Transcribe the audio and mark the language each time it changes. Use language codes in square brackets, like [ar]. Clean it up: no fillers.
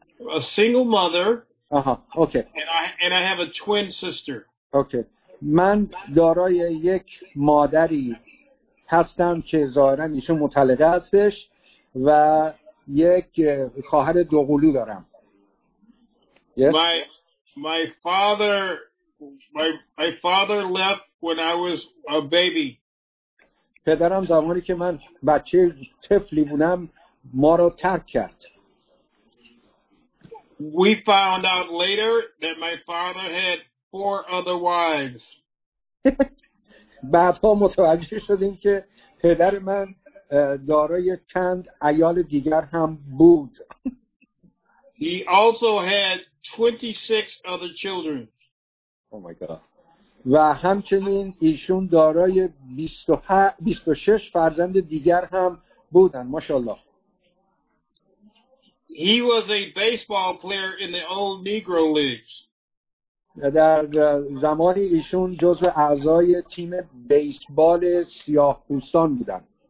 [en] A single mother. Uh-huh. Okay. And I have a twin sister. Okay. [fa] من دارای یک مادری هستم که ظاهراً ایشون مطلقه هستش و یک خواهر دوقلو دارم. [en] Yes? My father left when I was a baby. [fa] پدرم زمانی که من بچه طفلی بودم ما رو ترک کرد. [en] We found out later that my father had 4 other wives. [fa] بعدها متوجه شدیم که پدر من دارای چند عیال دیگر هم بود. [en] He also had 26 other children. Oh my god. [fa] و همچنین ایشون دارای 26 فرزند دیگر هم بودن. ماشاءالله. [en] He was a baseball player in the old Negro Leagues. [fa] در زمانی ایشون جزء اعضای تیم بیسبال سیاه‌پوستان بودند.